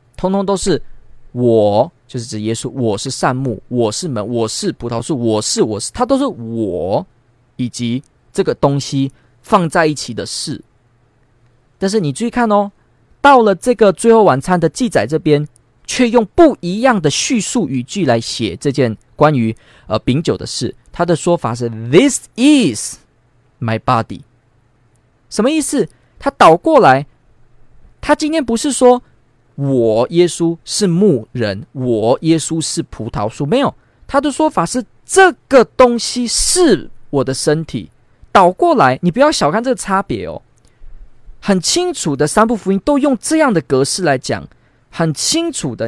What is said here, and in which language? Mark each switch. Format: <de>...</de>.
<zh>通通都是我，就是指耶稣，我是善牧，我是门，我是葡萄树，我是，他都是我以及这个东西放在一起的事。但是你注意看哦，到了这个最后晚餐的记载这边，却用不一样的叙述语句来写这件关于饼酒的事。他的说法是</zh> <en>This is my body。</en> <zh>什么意思？他倒过来，他今天不是说我耶稣是牧人，我耶稣是葡萄树，没有，他的说法是这个东西是我的身体。倒过来，你不要小看这个差别哦，很清楚的，三部福音都用这样的格式来讲，很清楚的。</zh>